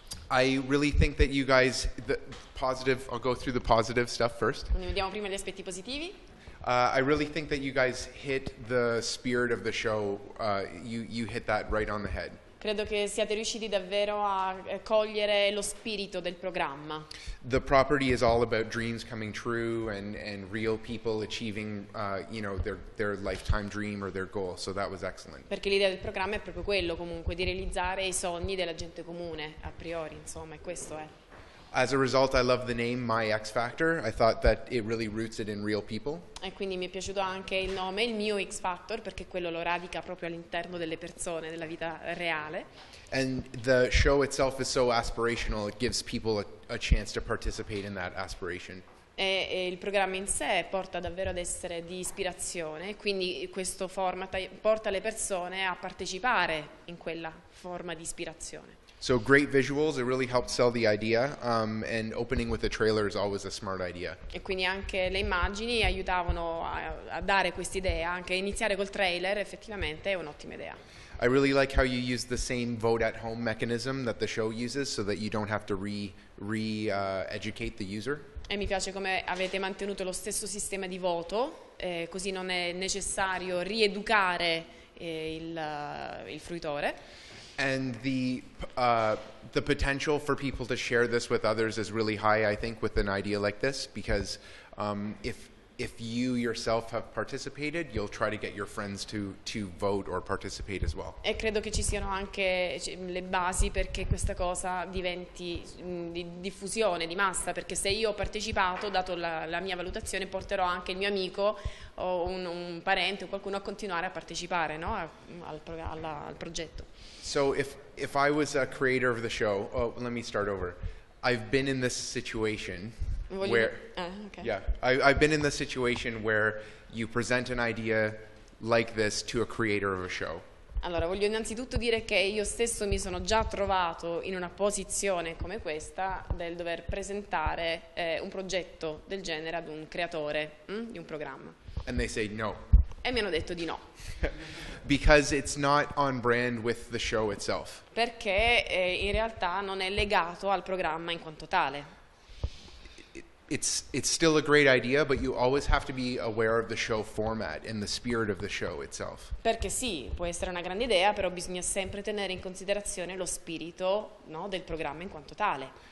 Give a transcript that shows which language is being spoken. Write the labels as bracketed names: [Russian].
[English] I really think that you guys, the positive, I'll go through the positive stuff first. [Italian] Quindi vediamo prima gli aspetti positivi. [English] I really think that you guys hit the spirit of the show, you hit that right on the head. [Italian] Credo che siate riusciti davvero a cogliere lo spirito del programma. [English] The property is all about dreams coming true and real people achieving you know, their lifetime dream or their goal, so that was excellent. [Italian] Perché l'idea del programma è proprio quello comunque, di realizzare i sogni della gente comune, a priori, insomma, e questo è. [English] As a result, I love the name My X Factor. I thought that it really roots it in real people. [Italian] E quindi mi è piaciuto anche il nome, il mio X Factor, perché quello lo radica proprio all'interno delle persone, della vita reale. [English] And the show itself is so aspirational, it gives people a chance to participate in that aspiration. [Italian] E il programma in sé porta davvero ad essere di ispirazione, quindi questo format porta le persone a partecipare in quella forma di ispirazione. [English] So great visuals, it really helped sell the idea, and opening with a trailer is always a smart idea. [Italian] E quindi anche le immagini aiutavano a dare quest'idea, anche iniziare col trailer effettivamente è un'ottima idea. [English] I really like how you use the same vote at home mechanism that the show uses so that you don't have to re-educate the user. [Italian] E mi piace come avete mantenuto lo stesso sistema di voto, così non è necessario rieducare il fruitore. [English] And the potential for people to share this with others is really high, I think, with an idea like this, because if you yourself have participated, you'll try to get your friends to vote or participate as well. [Italian] E credo che ci siano anche le basi perché questa cosa diventi di diffusione, di massa, perché se io ho partecipato, dato la mia valutazione, porterò anche il mio amico o un parente o qualcuno a continuare a partecipare, no, al progetto. [English] So if I was a creator of the show, oh, let me start over. I've been in this situation. I've been in the situation where you present an idea like this to a creator of a show. [Italian] Allora, voglio innanzitutto dire che io stesso mi sono già trovato in una posizione come questa del dover presentare un progetto del genere ad un creatore di un programma. [English] And they say no. [Italian] E mi hanno detto di no. [English] Because it's not on brand with the show itself. [Italian] Perché in realtà non è legato al programma in quanto tale. [English] It's still a great idea, but you always have to be aware of the show format and the spirit of the show itself. [Italian] Perché sì, può essere una grande idea, però bisogna sempre tenere in considerazione lo spirito, no, del programma in quanto tale.